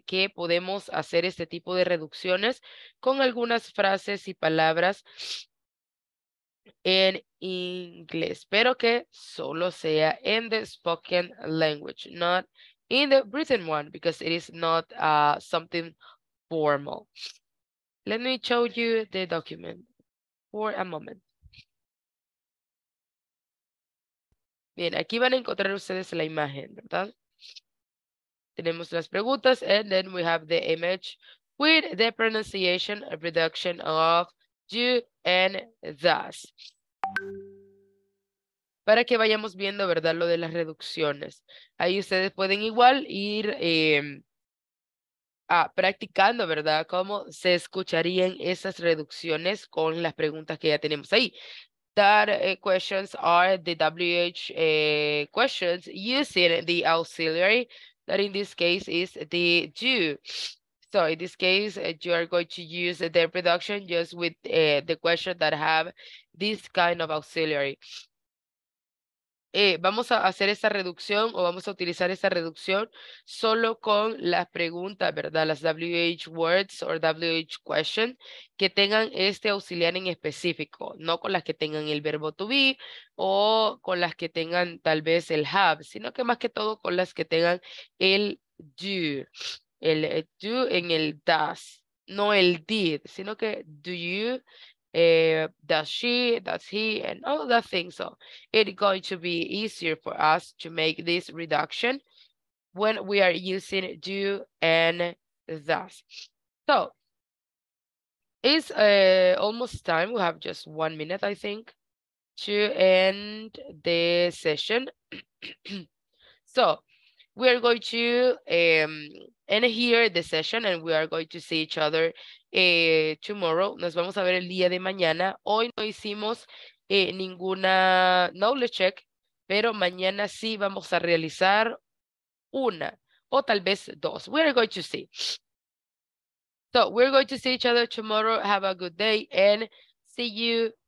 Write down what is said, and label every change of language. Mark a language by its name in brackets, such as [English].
[Spanish] Que podemos hacer este tipo de reducciones con algunas frases y palabras en inglés, pero que solo sea [English] in the spoken language, not in the written one, because it is not something formal. Let me show you the document. For a moment. [Spanish] Bien, aquí van a encontrar ustedes la imagen, ¿verdad? Tenemos las preguntas, [English] and then we have the image with the pronunciation reduction of do and does. [Spanish] Para que vayamos viendo, ¿verdad? Lo de las reducciones. Ahí ustedes pueden igual ir practicando, ¿verdad? ¿Cómo se escucharían esas reducciones con las preguntas que ya tenemos ahí? [English] That questions are the WH questions using the auxiliary, that in this case is the do. So in this case, you are going to use the reduction just with the question that have this kind of auxiliary. [Spanish] Vamos a hacer esa reducción o vamos a utilizar esa reducción solo con las preguntas, ¿verdad? Las WH words or WH question que tengan este auxiliar en específico, no con las que tengan el verbo to be o con las que tengan tal vez el have, sino que más que todo con las que tengan el do. El do en el does, no el did, sino que do you. [English] Does she, does he, and all that thing. So it's going to be easier for us to make this reduction when we are using do and does. So it's almost time. We have just 1 minute, I think, to end the session. So we are going to end here the session, and we are going to see each other tomorrow. [Spanish] Nos vamos a ver el día de mañana. Hoy no hicimos ninguna knowledge check, pero mañana sí vamos a realizar una o tal vez dos. [English] We're going to see. So we're going to see each other tomorrow. Have a good day and see you